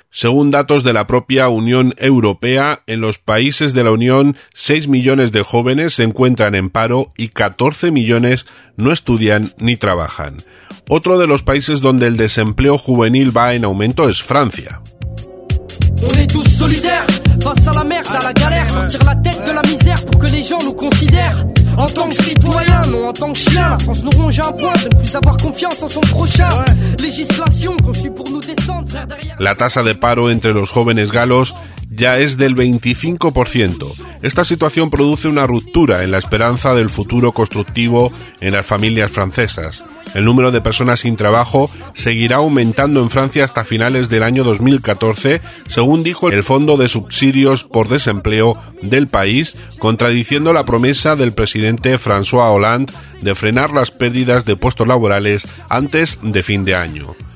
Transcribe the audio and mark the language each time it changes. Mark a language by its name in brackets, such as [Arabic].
[Spanish] Según datos de la propia Unión Europea, en los países de la Unión, 6 millones de jóvenes se encuentran en paro y 14 millones no estudian ni trabajan. Otro de los países donde el desempleo juvenil va en aumento es Francia. [French] On est tous solidaires, face à la merde, à la galère, sortir la tête de la misère pour que les gens nous considèrent en tant que citoyens, non en tant que chiens. La France nous ronge à un point de ne plus avoir confiance en son prochain. Législation conçue pour nous descendre derrière. [Spanish] La tasa de paro entre los jóvenes galos ya es del 25%. Esta situación produce una ruptura en la esperanza del futuro constructivo en las familias francesas. El número de personas sin trabajo seguirá aumentando en Francia hasta finales del año 2014, según dijo el Fondo de Subsidios por Desempleo del país, contradiciendo la promesa del presidente François Hollande de frenar las pérdidas de puestos laborales antes de fin de año.